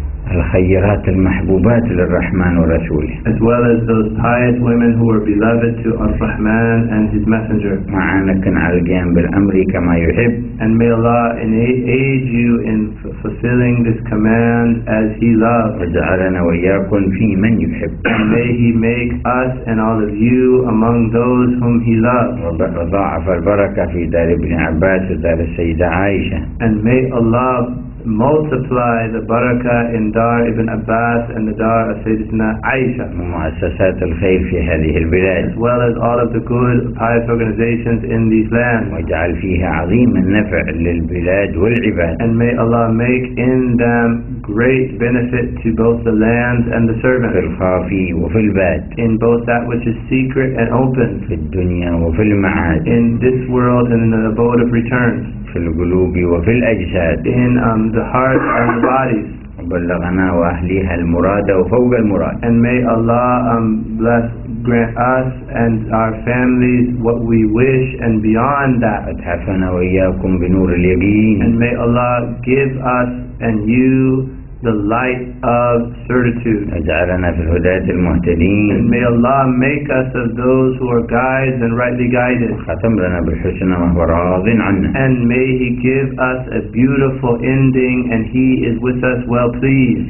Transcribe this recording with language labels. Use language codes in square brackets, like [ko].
[ar] الخيرات المحبوبات للرحمن ورسوله. [en] As well as those pious women who were beloved to Ar-Rahman and his messenger. [ar] معانكن على القيام بالأمر كما يحب. [en] And may Allah aid you in fulfilling this command as He loves. [ar] وجعلنا وإياكم في من يحب. [en] And may He make us and all of you among those whom He loves. [ar] وضاعف البركة في دار ابن عباس ودار السيدة عائشة. [en] And may Allah multiply the barakah in Dar Ibn Abbas and the Dar of Sayyidina Aisha. [ar] مؤسسات الخير في هذه البلاد. [en] As well as all of the good pious organizations in these lands. [ar] واجعل فيها عظيم النفع للبلاد والعباد. [en] And may Allah make in them great benefit to both the lands and the servants. [ar] في الخافي وفي الباد. [en] In both that which is secret and open. [ar] في الدنيا وفي المعاد. [en] In this world and in the abode of returns. [ar] في القلوب وفي الأجساد. [en] In the hearts and the bodies. [ar] وبلغنا وأهليها المراد وفوق المراد. [en] And may Allah grant us and our families what we wish and beyond that. [ar] أتحفنا وإياكم بنور اليقين. [en] And may Allah give us and you the light of certitude. [ar] أجعلنا في الهداة المهتدين. [en] And may Allah make us of those who are guides and rightly guided. [ar] ختم لنا بالحسنى وهو راضٍ عنا. [en] And may He give us a beautiful ending and He is with us well pleased.